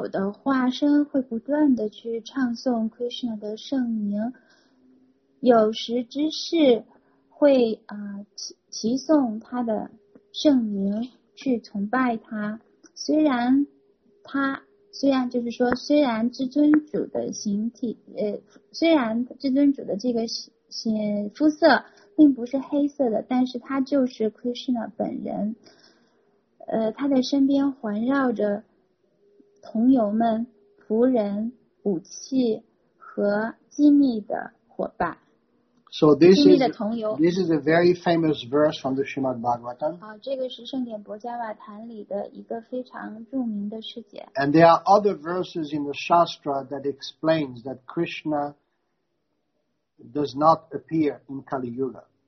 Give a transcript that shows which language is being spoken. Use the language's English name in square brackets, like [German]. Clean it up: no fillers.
[Chinese] 至尊人格神首的化身会不断地去唱诵 Krishna 的圣名，有时知事会齐颂他的圣名去崇拜他。虽然至尊主的形体，虽然至尊主的这个肤色并不是黑色的，但是他就是 Krishna 本人。他的身边环绕着童游们、仆人、武器和机密的伙伴。 [English] So this is a very famous verse from the Srimad Bhagavatam. [Chinese] 这个是圣典伯伽瓦坛里的一个非常著名的释解。 [English] And there are other verses in the Shastra that explains that Krishna does not appear in Kali Yuga.